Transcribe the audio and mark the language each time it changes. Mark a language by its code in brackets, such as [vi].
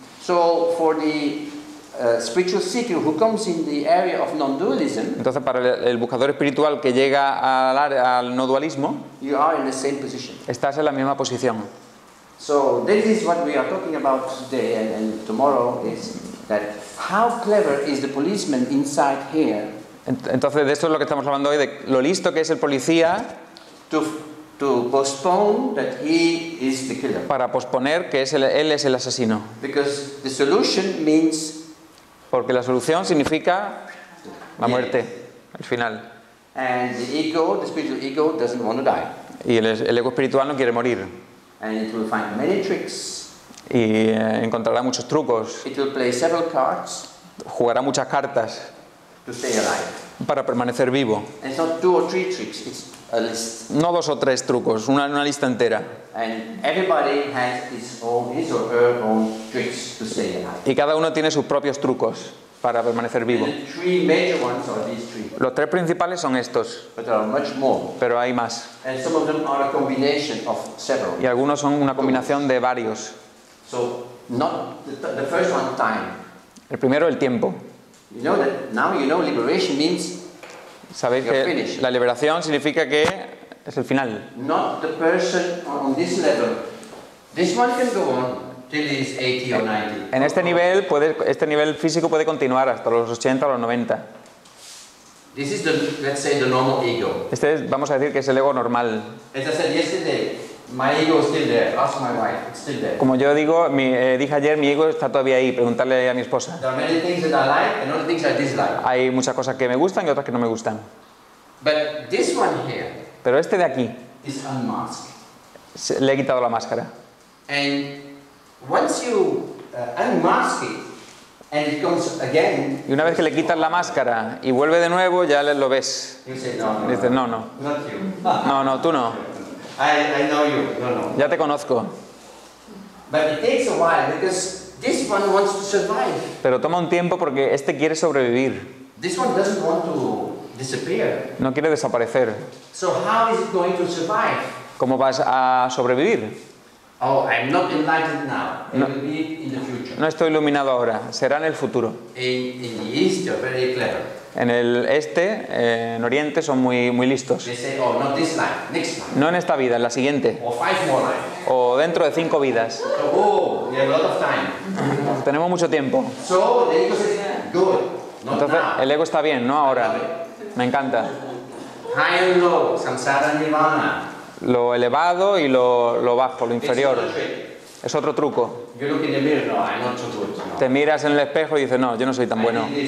[en] So for the spiritual seeker who comes in the area of non-dualism. [es] Entonces para el buscador espiritual que llega al no dualismo. [en] You are in the same position. [es] Estás en la misma posición. [en] So this is what we are talking about today and tomorrow is that how clever is the policeman inside here? [es] Entonces de esto es lo que estamos hablando hoy, de lo listo que es el policía. [en] To postpone that he is the killer. [es] Para posponer que él es el asesino. [en] Because the solution means. [es] Porque la solución significa la muerte, el final. [en] And the ego, the spiritual ego, doesn't want to die. [es] Y el ego espiritual no quiere morir. [en] And it will find many tricks. [es] Y encontrará muchos trucos. [en] It will play several cards. [es] Jugará muchas cartas. [en] To stay alive. [es] Para permanecer vivo. [en] It's not two or three tricks. It's a list. [es] No dos o tres trucos, una lista entera. [en] And everybody has his or her own tricks to stay alive. [es] Y cada uno tiene sus propios trucos para permanecer vivo. [en] And the three major ones are these three. [es] Los tres principales son estos. [en] But there are much more. [es] Pero hay más. [en] And some of them are a combination of several. [es] Y algunos son una combinación de varios. [en] So not the first one, time. [es] El primero, el tiempo. [en] You know that now you know liberation means. [es] Sabéis que la liberación significa que es el final. [en] Not the person on this level. This one can go on till he's 80 or 90. [es] En este nivel puede, este nivel físico puede continuar hasta los 80 o los 90. [en] This is the, let's say, the normal ego. [es] Este es, vamos a decir que es el ego normal. [en] As I said yesterday, my ego is still there. Ask my wife, it's still there. [es] Como yo digo, dije ayer, mi ego está todavía ahí. Preguntarle a mi esposa. [en] There are many things that I like and other things I dislike. [es] Hay muchas cosas que me gustan y otras que no me gustan. [en] But this one here. [es] Pero este de aquí. [en] Is unmasked. [es] Le he quitado la máscara. [en] And once you unmask it, and it comes again. [es] Y una vez que le quitas la máscara y vuelve de nuevo, ya lo ves. [en] You say no. No, [es] dices, no. [en] Not you. [es] No, no, tú no. [en] I know you. No. [es] Ya te conozco. [en] But it takes a while because this one wants to survive. [es] Pero toma un tiempo porque este quiere sobrevivir. [en] This one doesn't want to disappear. [es] No quiere desaparecer. [en] So how is it going to survive? [es] ¿Cómo vas a sobrevivir? [en] Oh, I'm not enlightened now. No, it will be in the future. [es] No estoy iluminado ahora. Será en el futuro. [en] In the east, you're very clever. [es] En el este, en oriente, son muy, muy listos. [en] They say, oh, not this life, next life. [es] No en esta vida, en la siguiente. [en] Or five more lives. [es] O dentro de cinco vidas. [en] Oh, we have a lot of time. [es] Tenemos mucho tiempo. [en] So, the ego says, good. Not [es] entonces, [en] now. [es] El ego está bien, no ahora. Me encanta. [en] High and low, samsara and nirvana. [es] Lo elevado y lo bajo, lo inferior. Es otro truco. [en] You look in the mirror, no, I'm not so good, no. [es] Te miras en el espejo y dices, no, yo no soy tan bueno.